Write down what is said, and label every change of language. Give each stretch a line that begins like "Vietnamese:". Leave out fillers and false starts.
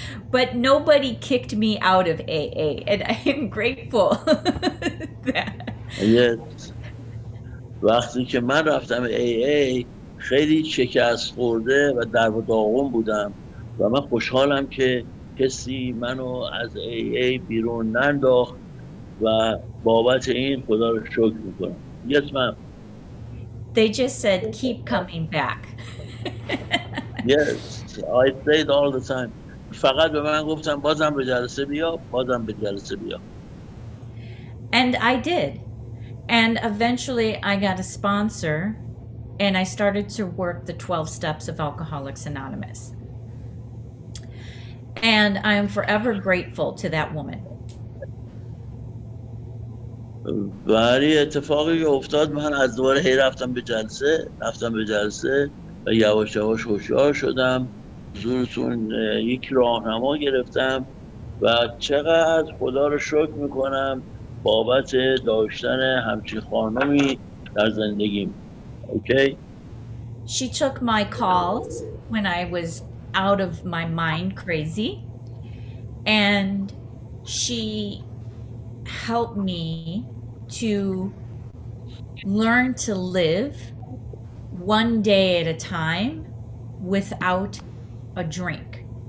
English: But nobody kicked me out of AA, and I am grateful that. Yes.
Persian: وقتی که من رفتم AA خیلی شکست خورده و در و داغون بودم و من خوشحالم که کسی منو از AA بیرون ننداخت و بابت این خدا رو شکر میکنم.
English: Yes, ma'am. They just said, keep coming back. Yes, I stayed all the time.
Persian: فقط به من گفتن بازم به جلسه بیا، بازم به جلسه بیا.
English: And I did. And eventually I got a sponsor and I started to work the 12 steps of Alcoholics Anonymous. And I am forever grateful to that woman.
Persian: برای اتفاقی که افتاد من از دوباره هی رفتم به جلسه و یواش یواش هوشیار شدم. زورتون یک راهنما گرفتم و چقدر خدا رو شکر میکنم بابت داشتن همچین خانمی در زندگیم.
English: Okay? She took my calls when I was out of my mind crazy and she helped me to learn to live one day at a time without a drink.